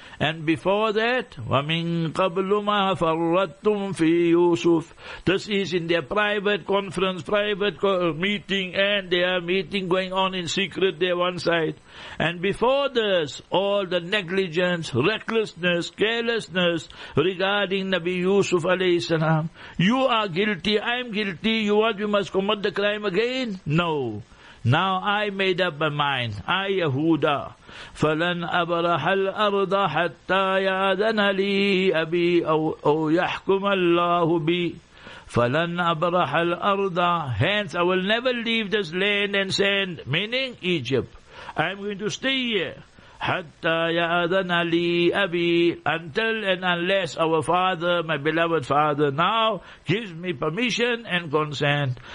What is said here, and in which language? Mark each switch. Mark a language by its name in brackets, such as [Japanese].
[English] And before that, [Arabic] وَمِنْ قَبْلُ مَا فَرَّتْتُمْ فِي يُوسُفْ, [English] this is in their private conference, private meeting, and their meeting going on in secret there one side. And before this, all the negligence, recklessness, carelessness regarding Nabi Yusuf alayhi salam. You are guilty, I'm guilty, you want we must commit the crime again? No. Now I made up my mind. [Arabic] I, Yehuda, فَلَنْ أَبْرَحَ الْأَرْضَ حَتَّى يَعَذَنَ لِي أَبِي أَوْ يَحْكُمَ اللَّهُ بِي. فَلَنْ أَبْرَحَ الْأَرْضَ, [English] hence I will never leave this land and sand, meaning Egypt. I'm going to stay here. [Arabic] حَتَّى يَعَذَنَ لِي أَبِي, [English] until and unless our father, my beloved father now, gives me permission and consent.